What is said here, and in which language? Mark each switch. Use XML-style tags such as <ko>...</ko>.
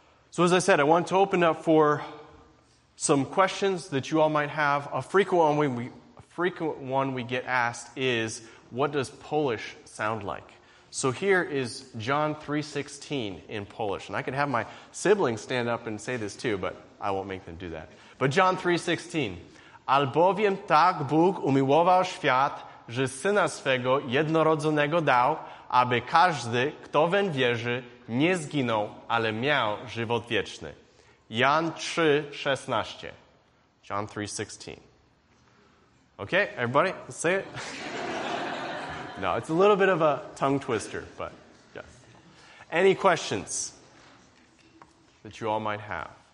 <en>So as I said, I want to open up for some questions that you all might have. A frequent one we get asked is, what does Polish sound like? So here is John 3:16 in Polish. And I could have my siblings stand up and say this too, but I won't make them do that. But John 3:16.</en> <pl>Albowiem tak Bóg umiłował świat, że syna swego jednorodzonego dał, aby każdy, kto weń wierzy, nie zginął, ale miał żywot wieczny.</pl> <en>Jan 3:16. John 3:16. Okay, everybody, let's say it. No, it's a little bit of a tongue twister, but yes. Any questions that you all might have?</en>